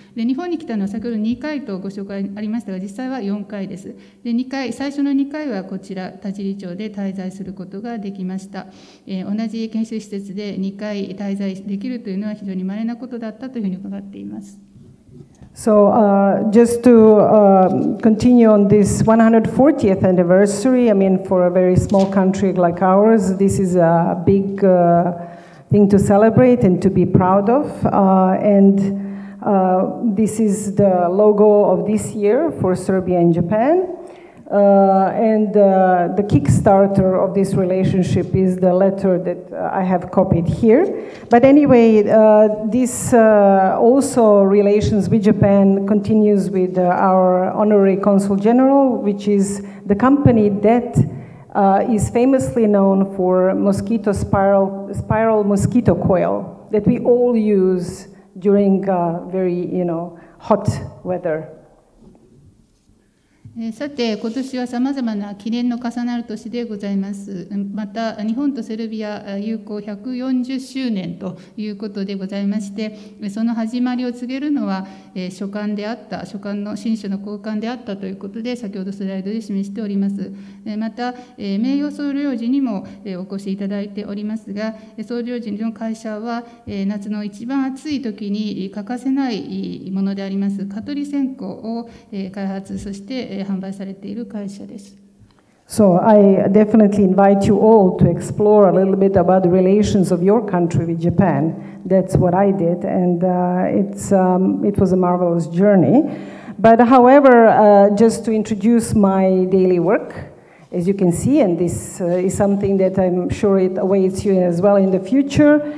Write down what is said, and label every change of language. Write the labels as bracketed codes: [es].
[ja] で、日本に来たのは先ほど2回とご紹介ありましたが、実際は4回です。で、最初の2回はこちら田尻町で滞在することができました。同じ研修施設で2回滞在できるというのは非常に稀なことだったというふうに伺っています。 [en] So just to continue on this 140th anniversary, I mean, for a very small country like ours, this is a big thing to celebrate and to be proud of. And this is the logo of this year for Serbia and Japan. And the kickstarter of this relationship is the letter that I have copied here. But anyway, this also relations with Japan continues with our honorary consul general, which is the company that is famously known for mosquito spiral mosquito coil that we all use during very, you know, hot weather. [ja] さて、今年はさまざまな記念の重なる年でございます。また日本とセルビア友好140周年ということでございまして、その始まりを告げるのは書簡であった、書簡の新書の交換であったということで、先ほどスライドで示しております。また名誉総領事にもお越しいただいておりますが、総領事の会社は夏の一番暑い時に欠かせないものであります蚊取り線香を開発、そして販売されている会社です。 [en] So I definitely invite you all to explore a little bit about the relations of your country with Japan. That's what I did, and it was a marvelous journey. But however, just to introduce my daily work, as you can see, and this is something that I'm sure it awaits you as well in the future.